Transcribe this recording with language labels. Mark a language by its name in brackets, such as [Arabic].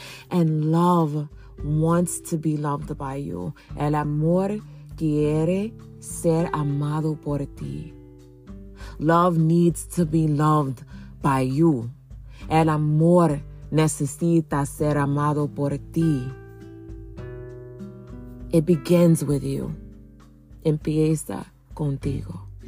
[English] And love wants to be loved by you. [Spanish] El amor quiere ser amado por ti. [English] Love needs to be loved by you. [Spanish] El amor necesita ser amado por ti. [English] It begins with you. [Spanish] Empieza contigo.